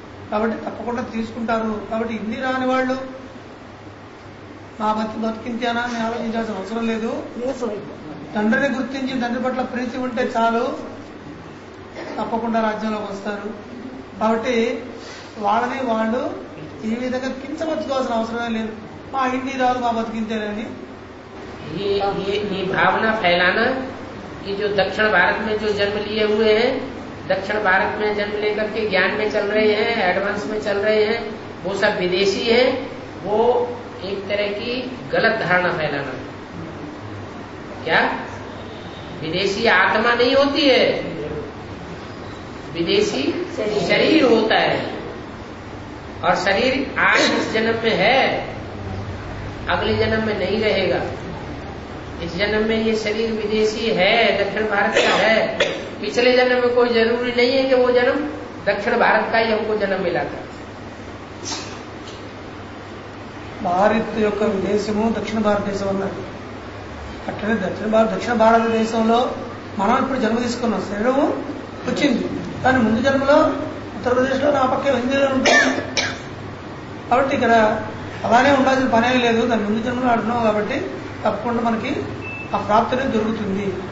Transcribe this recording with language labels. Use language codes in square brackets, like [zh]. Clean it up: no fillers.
[te] కాబట్టి తప్పకుండా తీసుకుంటారు. కాబట్టి హిందీ రాని వాళ్ళు మా బతి బతికింతానా అని ఆలోచించాల్సిన అవసరం లేదు. తండ్రిని గుర్తించి తండ్రి పట్ల ప్రీతి ఉంటే చాలు, తప్పకుండా రాజ్యంలోకి వస్తారు. కాబట్టి వాళ్ళని వాళ్ళు ఈ విధంగా కించపరచుకోవాల్సిన అవసరమే లేదు. మా హిందీ రాదు మా బతికింతేనని [hi] कि जो दक्षिण भारत में जो जन्म लिए हुए हैं, दक्षिण भारत में जन्म लेकर के ज्ञान में चल रहे हैं, एडवांस में चल रहे हैं, वो सब विदेशी हैं, वो एक तरह की गलत धारणा फैलाना. क्या विदेशी आत्मा नहीं होती है? विदेशी शरीर होता है, और शरीर आज इस जन्म में है, अगले जन्म में नहीं रहेगा. इस जन्म में ये शरीर विदेशी है, दक्षिण भारत का है. पिछले जन्म में कोई जरूरी नहीं है कि वो जन्म दक्षिण भारत का ही हमको जन्म मिला था. [te] भारत యొక్క విదేశము దక్షిణ భారతదేశం అన్న అట్లనే దక్షిణ భారత దక్షిణ భారతదేశంలో మనం ఇప్పుడు జన్మ తీసుకున్నాం, శరీరం వచ్చింది, కానీ ముందు జన్మలో ఉత్తరప్రదేశ్ లో నా పక్కే హిందీలో ఉంటుంది. కాబట్టి ఇక్కడ అలానే ఉండాల్సిన పనే లేదు, దాని ముందు జన్మలో ఆడుతున్నాం కాబట్టి తప్పకుండా మనకి ఆ ప్రాప్తి దొరుకుతుంది.